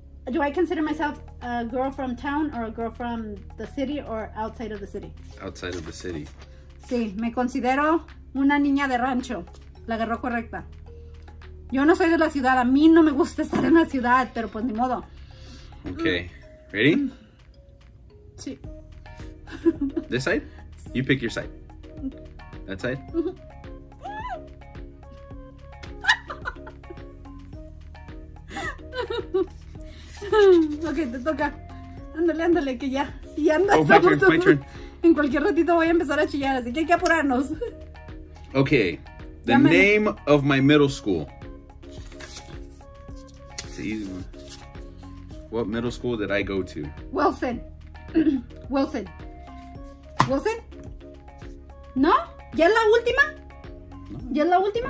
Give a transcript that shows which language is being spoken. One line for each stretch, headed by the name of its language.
English: Do I consider myself a girl from town or a girl from the city or outside of the city? Outside of the city.
Spanish: Sí, me considero una niña de rancho. La agarró correcta. Yo no soy de la ciudad. A mí no me gusta estar en la ciudad, pero pues ni modo.
English: Okay. Ready?
Spanish: Sí.
English: This side? You pick your side. That side?
Spanish: Ok, te toca. Ándale, ándale, que ya. Y anda.
English: Oh, my turn.
Spanish: En cualquier ratito voy a empezar a chillar, así que hay que apurarnos.
English: Ok. The name of my middle school. It's an easy one. What middle school did I go to?
Spanish: Wilson. Wilson. Wilson? No? ¿Ya es la última? ¿Ya es la última?